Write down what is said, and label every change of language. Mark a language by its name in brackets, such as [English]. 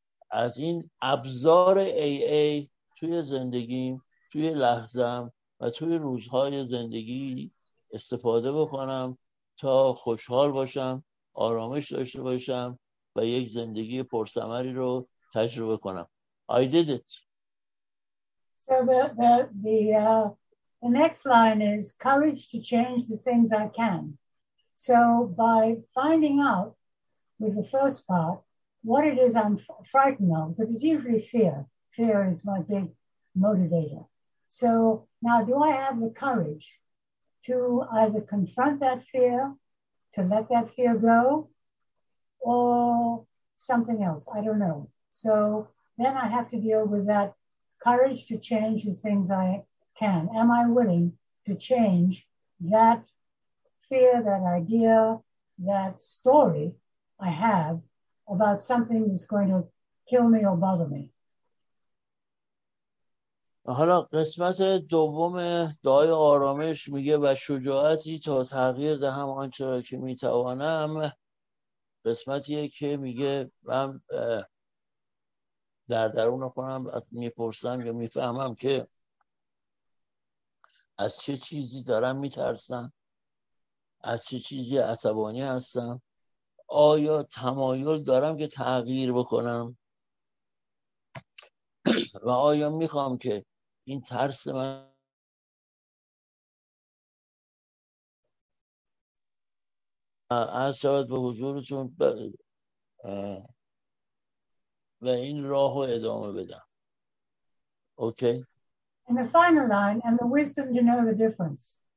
[Persian] از این ابزار AA توی زندگیم، توی لحظم و توی روزهای زندگی استفاده بکنم تا خوشحال باشم، آرامش داشته باشم و یک زندگی پرثمری رو تجربه کنم. [English] I did it. So the next line is courage to change the things I can. So by finding out with the first part what it is I'm frightened of, because it's usually fear. Fear is my big motivator. So now, do I have the courage to either confront that fear, to let that fear go, or something else? I don't know. So then I have to deal with that courage to change the things I can. Am I willing to change that fear, that idea, that story I have about something that's going to kill me or bother me? [Persian] حالا قسمت دوم دعای آرامش میگه و شجاعتی تا تغییر دهم آنچه را که میتوانم، قسمتیه که میگه من در درون خودم میپرسم یا میفهمم که از چه چیزی دارم میترسم، از چه چیزی عصبانی هستم، آیا تمایل دارم که تغییر بکنم و آیا میخوام که این ترس من از شاید به حضورتون و این راهو ادامه بدم. [English] Okay. And the final line, and the wisdom to know the difference.